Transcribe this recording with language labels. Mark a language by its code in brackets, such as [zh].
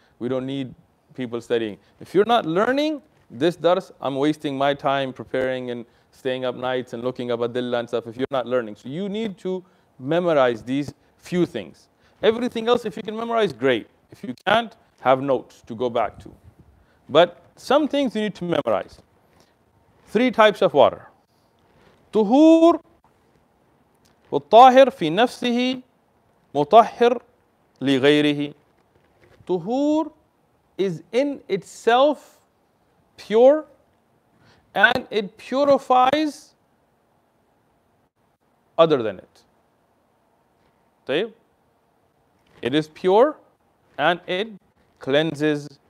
[en] We don't need people studying. If you're not learning this dars, I'm wasting my time preparing and staying up nights and looking up adilla and stuff if you're not learning. So you need to memorize these few things. Everything else, if you can memorize, great. If you can't, have notes to go back to. But some things you need to memorize. Three types of water. [ar] طهور والطاهر في نفسه مطهر لغيره. [en] طهور is in itself pure and it purifies other than it. It is pure and it cleanses.